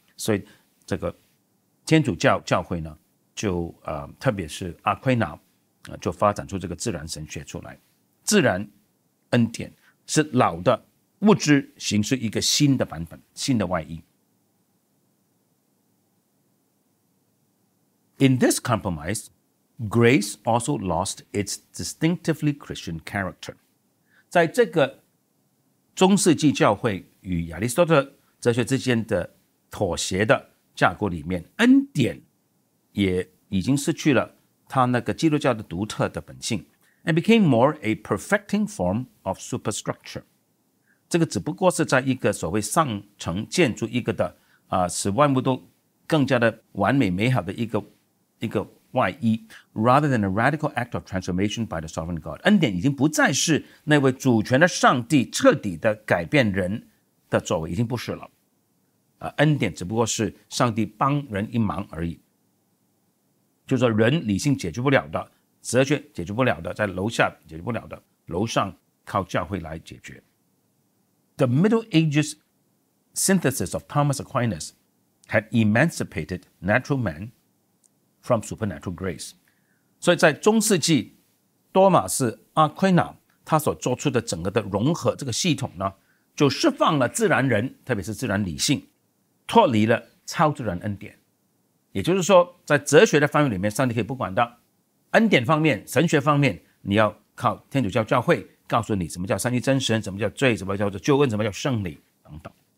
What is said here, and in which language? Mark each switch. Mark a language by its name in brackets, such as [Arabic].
[Chinese] 所以这个天主教教会呢，就特别是阿奎那就发展出这个自然神学出来。自然恩典是老的物质形式一个新的版本，新的外衣。 [English] In this compromise, grace also lost its distinctively Christian character. [Chinese] 在这个中世纪教会与亚里士多德哲学之间的妥协的架构里面，恩典也已经失去了他那个基督教的独特的本性 [English] and became more a perfecting form of superstructure。 [Chinese] 这个只不过是在一个所谓上层建筑一个的、使万物都更加的完美美好的一个外衣 [English] rather than a radical act of transformation by the sovereign God。 [Chinese] 恩典已经不再是那位主权的上帝彻底的改变人的作为，已经不是了、恩典只不过是上帝帮人一忙而已，就是说人理性解决不了的，哲学解决不了的，在楼下解决不了的，楼上靠教会来解决。 [English] The Middle Ages synthesis of Thomas Aquinas had emancipated natural man from supernatural grace。 [Chinese] 所以在中世纪多马斯阿奎那他所做出的整个的融合这个系统呢，就释放了自然人，特别是自然理性，脱离了超自然恩典。也就是说在哲学的范围里面上帝可以不管的，恩典方面神学方面你要靠天主教教会告诉你什么叫三一真神，什么叫罪，什么叫救恩，什么叫圣礼等等。